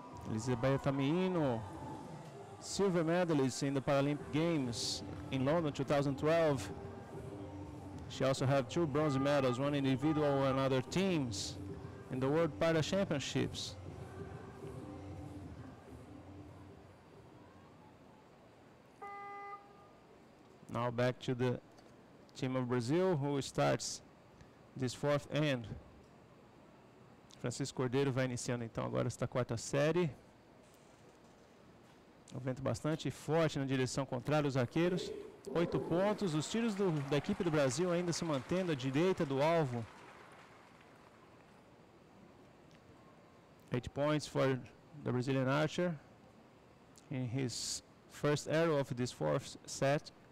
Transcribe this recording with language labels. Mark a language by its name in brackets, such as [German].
[English] Elisabetta Miino, silver medalist in the Paralympic Games in London 2012. She also have 2 bronze medals, 1 individual and other teams in the World Para Championships. Now back to the team of Brazil, who starts this fourth end. [Portuguese] Francisco Cordeiro vai iniciando então agora esta quarta série. O vento bastante forte na direção contrária aos arqueiros. 8 pontos, os tiros da equipe do Brasil ainda se mantendo à direita do alvo. [English] 8 points for the Brazilian archer in his first arrow of this fourth set.